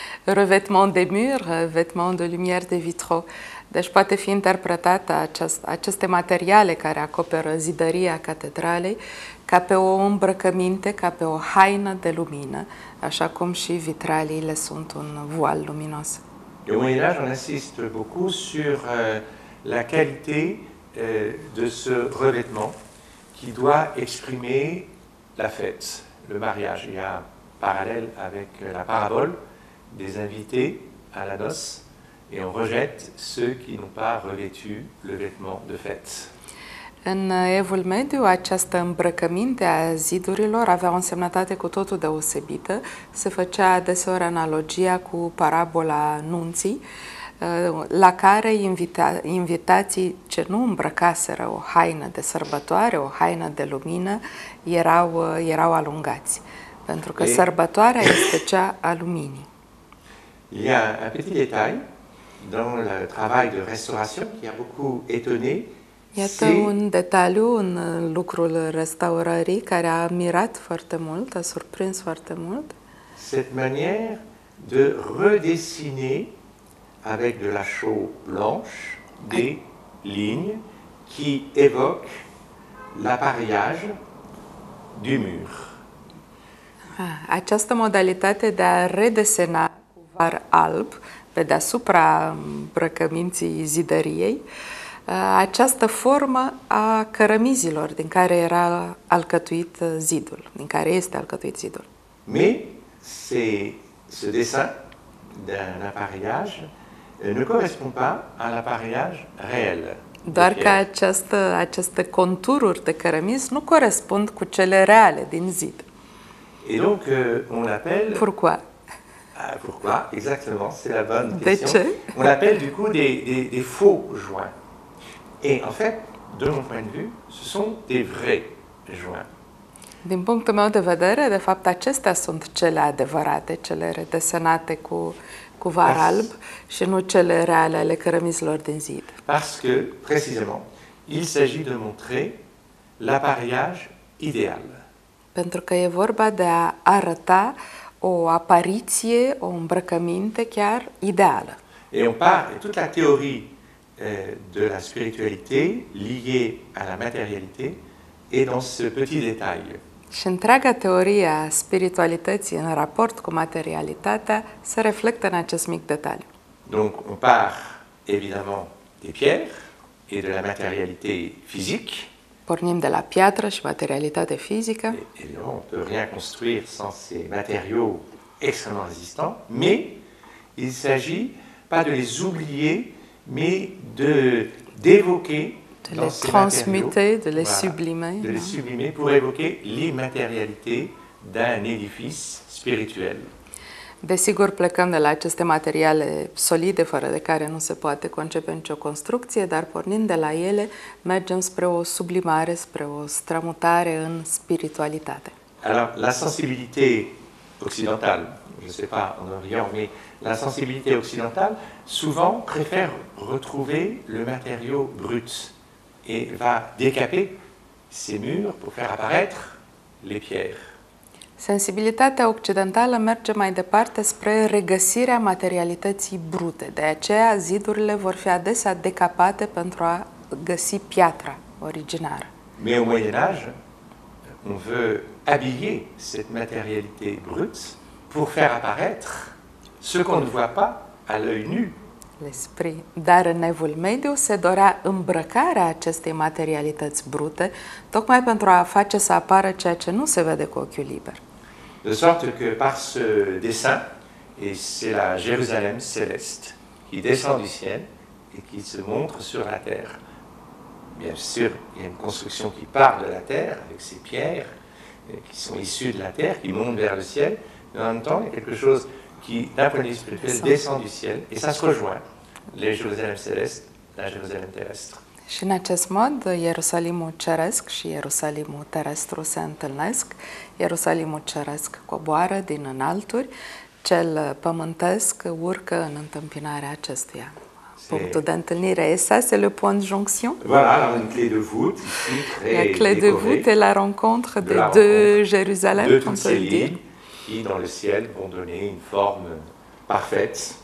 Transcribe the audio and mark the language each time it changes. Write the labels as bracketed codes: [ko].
[fr] Revêtement des murs, vêtement de lumière des vitraux. [ro] Deci poate fi interpretată aceste materiale care acoperă zidăria catedralei ca pe o îmbrăcăminte, ca pe o haină de lumină, așa cum și vitraliile sunt un voal luminos. [fr] Au Moyen-Âge, on insiste beaucoup sur la qualité de ce revêtement qui doit exprimer la fête, le mariage. Il y a un parallèle avec la parabole des invités à la noce. Et on rejette ceux qui n'ont pas revêtu le vêtement de fête. [ro] În evul mediu, această îmbrăcăminte a zidurilor avea o însemnătate cu totul deosebită. Se făcea adeseori analogia cu parabola nunții, la care invitații ce nu îmbrăcaseră o haină de sărbătoare, o haină de lumină, erau alungați. Pentru că sărbătoarea este cea a luminii. [fr] Il y a un petit détail dans le travail de restauration qui a beaucoup étonné. [ro] Iată un detaliu în lucrul restaurării care a mirat foarte mult, a surprins foarte mult. [fr] Cette manière de redessiner avec de la chaux blanche des lignes qui évoquent l'appareillage du mur. [ro] Această modalitate de a redesena cu var alb pe deasupra îmbrăcăminții zidăriei, această formă a cărămizilor din care era alcătuit zidul, din care este alcătuit zidul. [fr] Mais ce dessin d'un appareillage ne correspond pas à l'appareillage réel. [ro] Doar că aceste contururi de cărămiz nu corespund cu cele reale din zid. [fr] Et donc on l'appelle pourquoi? Pourquoi? Exactement, c'est la bonne question. On l'appelle du coup des faux joints. Et en fait, de mon point de vue, ce sont des vrais joints. [ro] Din punctul meu de vedere, de fapt, acestea sunt cele adevărate, cele redesenate cu var alb și nu cele reale ale cărămizilor din zid. [fr] Parce que, précisément, il s'agit de montrer l'appareillage idéal. [ro] Pentru că e vorba de a arăta o apariție, o îmbrăcăminte chiar ideală. [fr] Et on part toute la théorie de la spiritualité liée à la matérialité est dans ce petit détail. [ro] Și întreaga teorie a spiritualității în raport cu materialitatea se reflectă în acest mic detaliu. [fr] Donc on part évidemment des pierres et de la matérialité physique. [ro] Pornim de la piatră și materialitatea fizică. [fr] On ne peut rien construire sans ces matériaux extrêmement résistants, mais il ne s'agit pas de les oublier, mais d'évoquer de les transmuter, de les sublimer. De les sublimer pour évoquer l'immatérialité d'un édifice spirituel. [ro] Desigur, plecăm de la aceste materiale solide, fără de care nu se poate concepe nicio construcție, dar pornind de la ele, mergem spre o sublimare, spre o strămutare în spiritualitate. [fr] Alors, la sensibilité occidentale, je ne sais pas en Orient, mais la sensibilité occidentale souvent préfère retrouver le matériau brut et va décaper ses murs pour faire apparaître les pierres. [ro] Sensibilitatea occidentală merge mai departe spre regăsirea materialității brute. De aceea, zidurile vor fi adesea decapate pentru a găsi piatra originară. [fr] Mais au Moyen-Âge, on veut habiller cette matérialité brute pour faire apparaître ce qu'on ne voit pas à l'œil nu. L'esprit. [ro] Dar în evul mediu se dorea îmbrăcarea acestei materialități brute, tocmai pentru a face să apară ceea ce nu se vede cu ochiul liber. [fr] De sorte que par ce dessin, et c'est la Jérusalem céleste qui descend du ciel et qui se montre sur la terre. bien sûr, il y a une construction qui part de la terre avec ses pierres qui sont issues de la terre, qui montent vers le ciel. Mais en même temps, il y a quelque chose qui, d'un point de vue spirituel, descend du ciel et ça se rejoint, les Jérusalem célestes, la Jérusalem terrestre. [ro] Și în acest mod, Ierusalimul ceresc și Ierusalimul terestru se întâlnesc. Ierusalimul ceresc coboară din înalturi, cel pământesc urcă în întâmpinarea acestuia. Punctul de întâlnire, e [fr] ça, c'est le point de jonction? Voilà, une clé de voûte ici, très la clé décorée, de voûte est la rencontre des deux Jérusalem, de toutes ces lignes qui, dans le ciel, vont donner une forme parfaite.